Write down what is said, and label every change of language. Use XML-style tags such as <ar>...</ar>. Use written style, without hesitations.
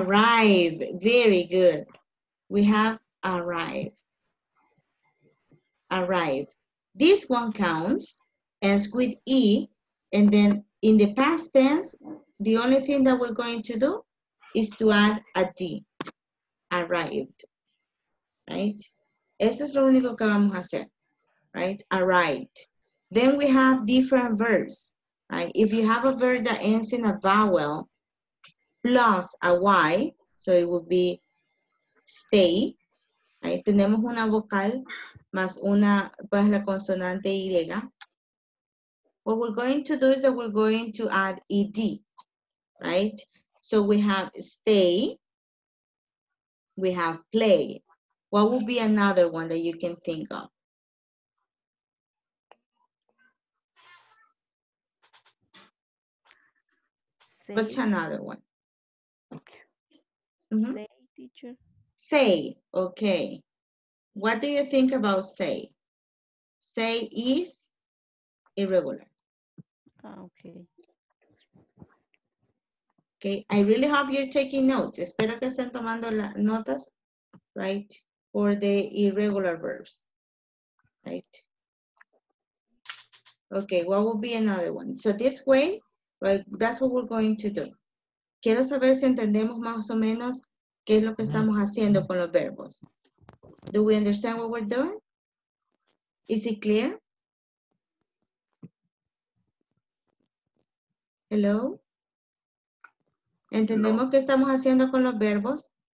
<en>Arrive, very good. We have arrive. Arrive. This one counts as with E, and then in the past tense, the only thing that we're going to do is to add a D, arrived, right?</en> <es>Eso es lo único que vamos a hacer, right?</es> <en>Arrived. Then we have different verbs, right? If you have a verb that ends in a vowel plus a Y, so it would be stay, right?</en> <es>Tenemos una vocal más una, pues la consonante Y.</es> <en>What we're going to do is that we're going to add ED, right? So we have stay, we have play. What would be another one that you can think of? Say. What's another one? Mm-hmm. Say, teacher. Say, okay. What do you think about say? Say is irregular. Okay. Okay, I really hope you're taking notes. Espero que estén tomando las notas, right, for the irregular verbs, right? Okay, what would be another one? So this way, right, that's what we're going to do.</en> <es>Quiero saber si entendemos más o menos qué es lo que estamos haciendo con los verbos.</es> <en>Do we understand what we're doing? Is it clear?</en> <es>Hello? ¿Entendemos qué estamos haciendo con los verbos?</es>